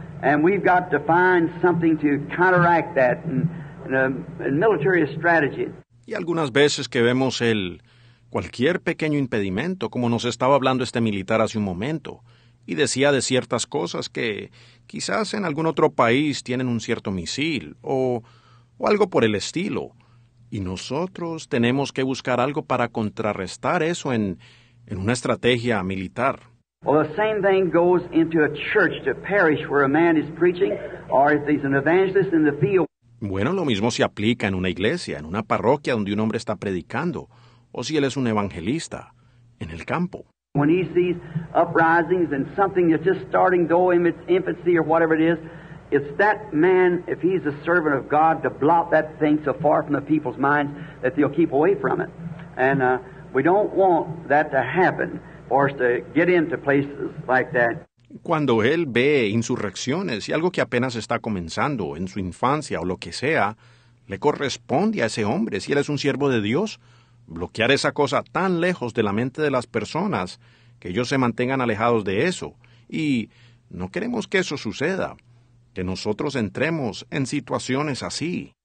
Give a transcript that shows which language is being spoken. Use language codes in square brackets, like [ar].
[en] And we've got to find something to counteract that in a military strategy. [es] Y algunas veces que vemos el cualquier pequeño impedimento, como nos estaba hablando este militar hace un momento, y decía de ciertas cosas que quizás en algún otro país tienen un cierto misil o algo por el estilo. Y nosotros tenemos que buscar algo para contrarrestar eso en una estrategia militar. [en] Well, the same thing goes into a church, to parish where a man is preaching, or if he's an evangelist in the field. [es] Bueno, lo mismo se aplica en una iglesia, en una parroquia donde un hombre está predicando, o si él es un evangelista, en el campo. [en] When he sees uprisings and something that's just starting, though in its infancy or whatever it is, it's that man, if he's a servant of God, to blot that thing so far from the people's minds that they'll keep away from it. And we don't want that to happen, or to get into places like that. [es] Cuando él ve insurrecciones y algo que apenas está comenzando en su infancia o lo que sea, le corresponde a ese hombre, si él es un siervo de Dios, bloquear esa cosa tan lejos de la mente de las personas que ellos se mantengan alejados de eso. Y no queremos que eso suceda, que nosotros entremos en situaciones así.